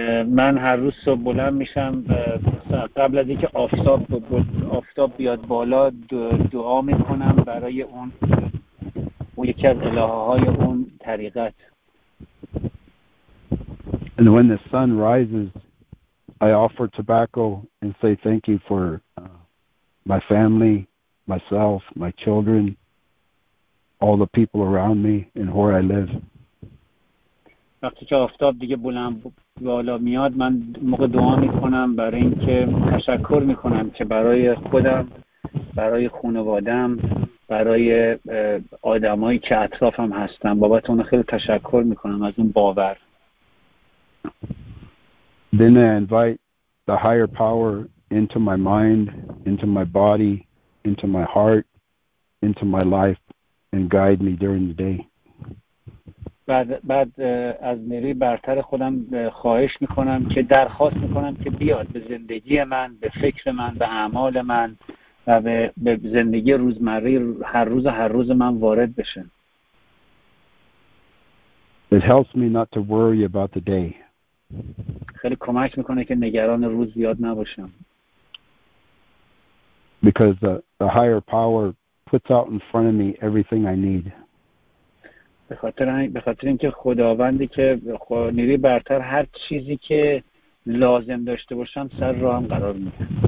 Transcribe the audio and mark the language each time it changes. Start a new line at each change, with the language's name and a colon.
Persian: من هر روز صبح بلند میشم قبل از اینکه آفتاب بیاد بالا، دعا میکنم برای اون یکی از الههای اون طریقت.
English: And when the sun rises, I offer tobacco and say thank you for my family, myself, my children, all the people around me and where I live.
Persian: وقتی که آفتاب دیگه بلند بالا میاد، من موقع دعا میکنم برای اینکه تشکر میکنم که برای خودم، برای خانواده‌ام، برای آدمایی که اطرافم هستن، بابت اون خیلی تشکر میکنم از اون باور.
English: Then I invite the higher power into my mind, into my body, into my heart, into my life, and guide me during the day.
Persian: بعد از نیروی برتر خودم خواهش میکنم که درخواست میکنم که بیاد به زندگی من، به فکر من، به اعمال من و به زندگی روزمره هر روز من وارد بشه.
English: It helps me not to worry about the day.
Persian: خیلی کمک میکنه که نگران روز زیاد نباشم.
English: Because the higher power puts out in front of me everything I need.
Persian: به خاطر اینکه خداوندی که نیروی برتر هر چیزی که لازم داشته باشم سر راه هم قرار میده.